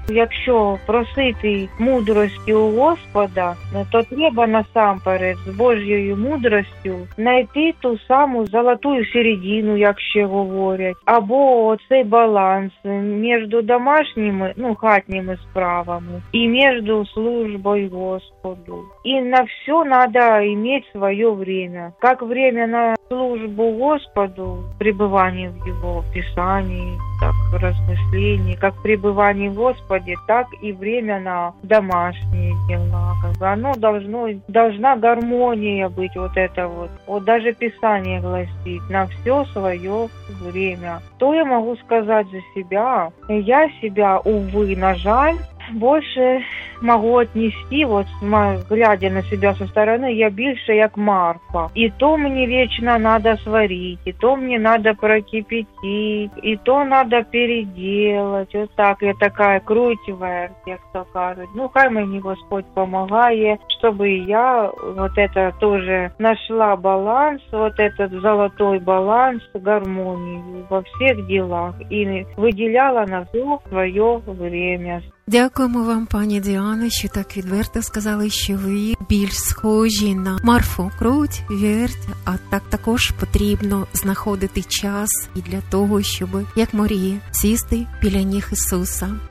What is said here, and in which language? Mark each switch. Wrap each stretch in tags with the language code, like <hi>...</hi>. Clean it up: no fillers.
<uk>Якщо просити мудрості у Господа, то треба насамперед з Божою мудростю знайти ту саму золоту середину, як ще говорять, або цей баланс між домашніми, хатніми справами і між службою Господу. І на все треба мати своє время.</uk> <ru>Як время на службу Господу, пребывание в Его Писании, так в размышлении, как пребывание в Господе, так и время на домашние дела. Оно должна гармония быть, вот это вот. Вот даже Писание гласит на все свое время. То я могу сказать за себя. Я себя, увы,</ru> <uk>на жаль,</uk> <ru>больше могу отнести, вот глядя на себя со стороны, я больше как Марфа. И то мне вечно надо сварить, и то мне надо прокипятить, и то надо переделать. Вот так я такая крутивая, как то говорят. Хай мне Господь помогает, чтобы я вот это тоже нашла баланс, вот этот золотой баланс, гармонию во всех делах и выделяла на все свое время.</ru> <uk>Дякуємо вам, пані Діано, що так відверто сказали, що ви більш схожі на Марфу. Круть, вірте, а так також потрібно знаходити час і для того, щоб, як Марія, сісти біля ніг Ісуса.</uk>